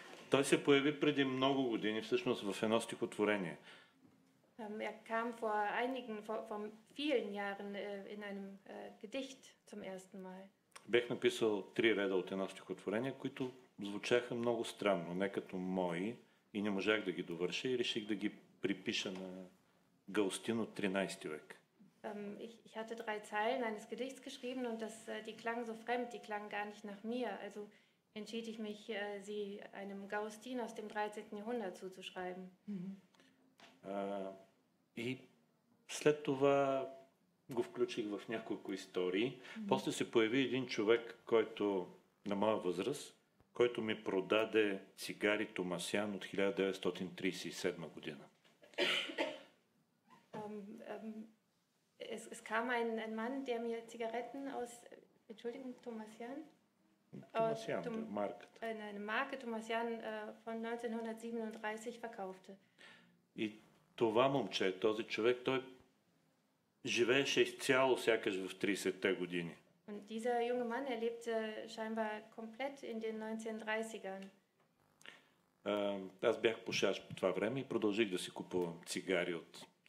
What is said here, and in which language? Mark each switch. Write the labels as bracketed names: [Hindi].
[Bulgarian] Той се появи преди много години, всъщност в едно стихотворение. [German] Er kam vor einigen, vor vielen Jahren in einem Gedicht zum ersten Mal. [Bulgarian] Бях написал три реда от едно стихотворение, които звучаха много странно, не като мои, и не можах да ги довърша и реших да ги припиша на Галстин от 13 век. [German] Ich hatte drei Zeilen eines Gedichts geschrieben und das, die klangen so fremd, die klangen gar nicht nach mir. Also entschied ich mich, sie einem Gaustin aus dem 13. Jahrhundert zuzuschreiben. [Bulgarian] И след това го включих в няколко истории. После се появи един човек, който на моя възраст, който ми продаде цигари Томасян от 1937 година. [German] Es kam ein Mann, der mir Zigaretten aus, Entschuldigung, Thomasian? Thomasian, der Markt. Eine Marke Thomasian von 1937 verkaufte. [Bulgarian] И това момче, този човек, той живееше изцяло сякаш в 30-те години. [German] Und dieser junge Mann, er lebte scheinbar komplett in den 1930ern. [Bulgarian] Аз бях пушач по това време и продължих да си купувам цигари от